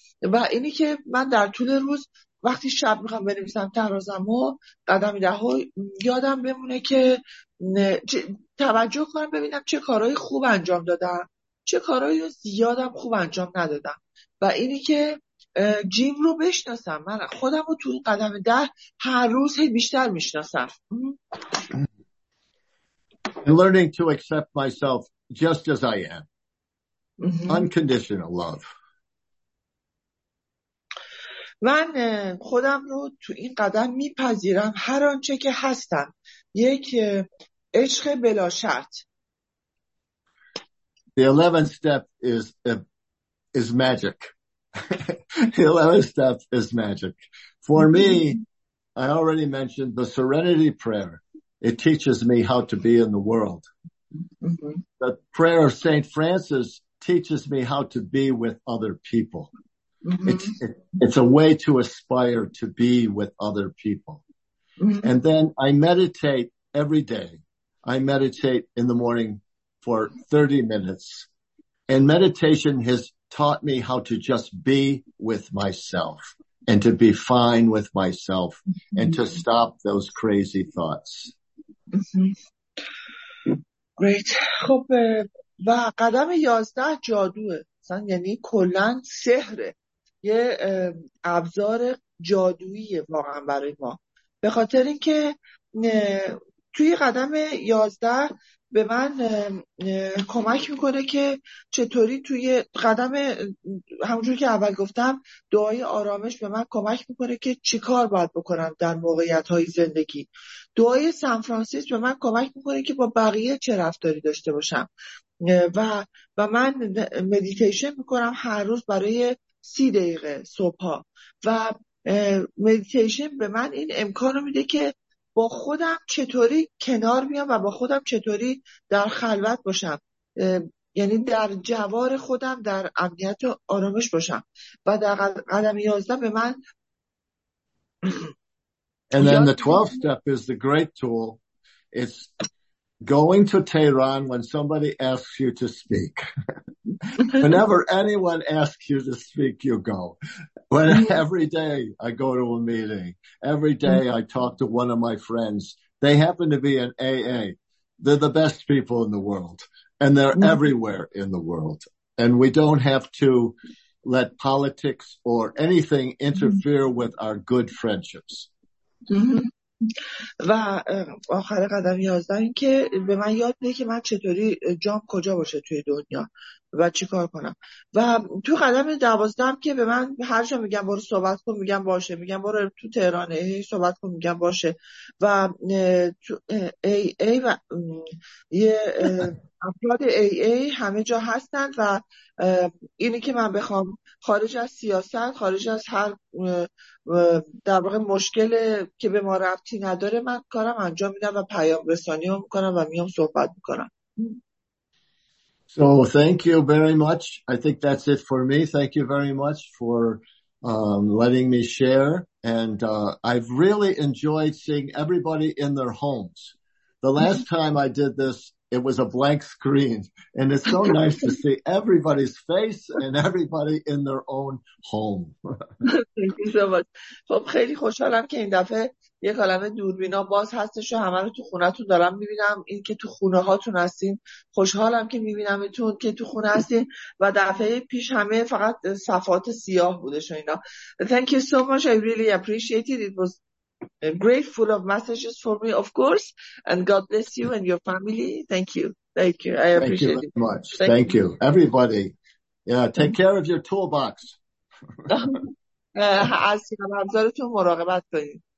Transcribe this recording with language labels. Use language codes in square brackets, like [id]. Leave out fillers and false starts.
[fa] و اینی که من در طول روز وقتی شب میخوام بنویسم ترازم و قدم ده یادم بمونه که توجه کنم ببینم چه کارهای خوب انجام دادم، چه کارهای زیادم خوب انجام ندادم. و اینی که جیم رو بشناسم، من خودم رو تو قدم ده هر روز بیشتر میشناسم. [en] And learning to accept myself just as I am. Mm-hmm. Unconditional love. [fa] من خودم رو تو این قدم میپذیرم هر آنچه که هستم. یک عشق بلا شرط. [en] The 11th step is magic. The 11th step is magic. For me, I already mentioned the serenity prayer. It teaches me how to be in the world. Mm-hmm. The prayer of Saint Francis teaches me how to be with other people. Mm-hmm. It's a way to aspire to be with other people. Mm-hmm. And then I meditate every day. I meditate in the morning for 30 minutes. And meditation has taught me how to just be with myself and to be fine with myself mm-hmm. and to stop those crazy thoughts. Mm-hmm. Great. [fa] خب و قدم 11 جادوه، مثلا یعنی کلن سحره، یه ابزار جادوییه واقعا برای ما، به خاطر اینکه توی قدم 11 به من کمک میکنه که چطوری توی قدم، همونجور که اول گفتم، دعای آرامش به من کمک میکنه که چی کار باید بکنم در موقعیت های زندگی. دعای سان فرانسیس به من کمک میکنه که با بقیه چه رفتاری داشته باشم. و من مدیتیشن میکنم هر روز برای 30 دقیقه صبحا، و مدیتیشن به من این امکان رو میده که با خودم چطوری کنار میام و با خودم چطوری در خلوت باشم، یعنی در جوار خودم در امنیت و آرامش باشم. و در قدم 11 به من [en] And then the 12th step is the great tool. It's going to Tehran when somebody asks you to speak. Whenever anyone asks you to speak, you go. When every day I go to a meeting, every day I talk to one of my friends. They happen to be an AA. They're the best people in the world, and they're everywhere in the world. And we don't have to let politics or anything interfere with our good friendships. [fa] و آخر قدم 11 این که به من یاد میده که من چطوری جام کجا باشه توی دنیا و چی کار کنم. و تو قدم 12 هم که به من هر جا میگم برو صحبت کن میگم باشه، میگم برو تو تهرانه هی صحبت کن میگم باشه. و تو ای و یه افراد ای همه جا هستن، و اینی که من بخوام خارج از سیاست، خارج از هر در واقع مشکل که به ما ربطی نداره، من کارم انجام میدم و پیام رسانی رو میکنم و میام صحبت میکنم. [en] So thank you very much. I think that's it for me. Thank you very much for letting me share. And I've really enjoyed seeing everybody in their homes. The last time I did this, it was a blank screen. And it's so nice to see everybody's face and everybody in their own home. Thank you so much. [fa] خب خیلی خوشحالم که این دفعه یک کلمه دوربینا باز هستش و همه رو تو خونتون دارم میبینم. این که تو خونه هاتون هستین، خوشحالم که میبینم اتون که تو خونه هستین. و دفعه پیش همه فقط صفحات سیاه بودش و اینا. [en] Thank you so much. I really appreciate it. It was great, full of messages for me, of course. And God bless you and your family. Thank you. Thank you. I appreciate it. Thank you very much. Thank you. Everybody. Yeah, take care of your toolbox. [fa] از سیرم همزارتون مراقبت کنید.